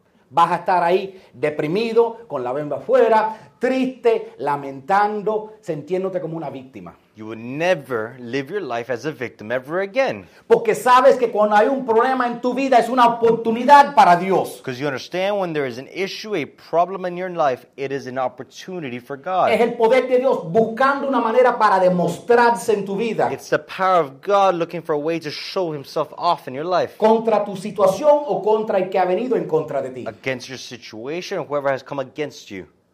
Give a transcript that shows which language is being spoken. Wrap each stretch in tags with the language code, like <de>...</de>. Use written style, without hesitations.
<es>vas a estar ahí deprimido, con la bemba afuera, triste, lamentando, sintiéndote como una víctima.</es> <en>You will never live your life as a victim ever again.</en> <es>Porque sabes que cuando hay un problema en tu vida, es una oportunidad para Dios.</es> <en>Because you understand when there is an issue, a problem in your life, it is an opportunity for God.</en> <es>Es el poder de Dios buscando una manera para demostrarse en tu vida.</es> <en>It's the power of God looking for a way to show himself off in your life.</en> <es>Contra tu situación o contra el que ha venido en contra de ti.</es> <en>Against your situation or whoever has come against you.</en>